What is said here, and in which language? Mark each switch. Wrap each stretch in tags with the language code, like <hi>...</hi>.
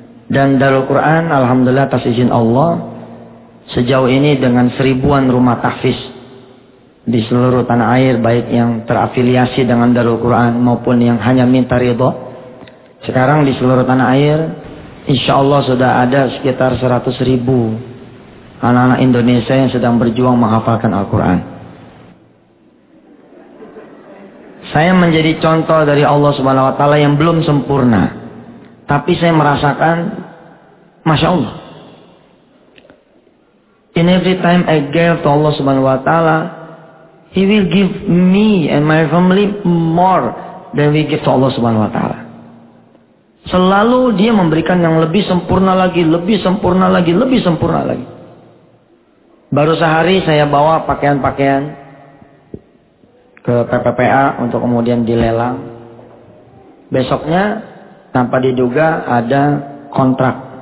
<id>Dan Darul Quran alhamdulillah atas izin Allah, sejauh ini dengan seribuan rumah tahfiz di seluruh tanah air, baik yang terafiliasi dengan Darul Quran maupun yang hanya minta ridho, sekarang di seluruh tanah air insya Allah sudah ada sekitar 100 ribu anak-anak Indonesia yang sedang berjuang menghafalkan Al-Quran. Saya menjadi contoh dari Allah Subhanahu wa taala yang belum sempurna. Tapi saya merasakan</id> <en>Masya Allah, in every time I gave to Allah Subhanahu wa taala, He will give me and my family more than we give to Allah Subhanahu wa taala.</en> <id>Selalu Dia memberikan yang lebih sempurna lagi, lebih sempurna lagi, lebih sempurna lagi. Baru sehari saya bawa pakaian-pakaian ke PPPA untuk kemudian dilelang. Besoknya tanpa diduga ada kontrak.</id>